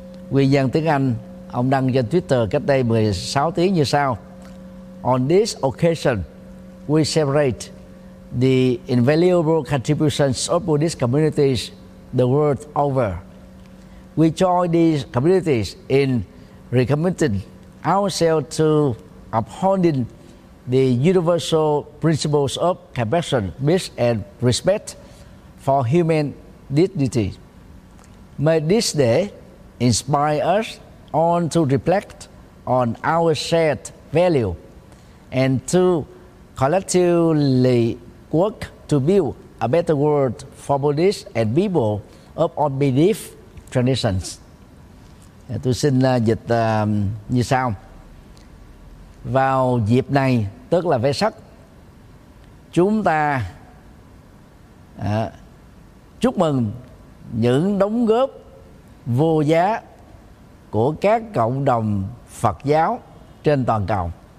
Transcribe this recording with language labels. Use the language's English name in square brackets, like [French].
[Vietnamese] Nguyên văn tiếng Anh, ông đăng trên Twitter cách đây 16 tiếng như sau: [English] On this occasion, we celebrate the invaluable contributions of Buddhist communities the world over. We join these communities in recommitting ourselves to upholding the universal principles of compassion, peace, and respect for human dignity. May this day inspire us all to reflect on our shared value and to collectively work to build a better world for Buddhists and people of all belief traditions. [Vietnamese] Tôi xin dịch như sau. Vào dịp này, tức là Vesak, chúng ta chúc mừng những đóng góp vô giá của các cộng đồng Phật giáo trên toàn cầu.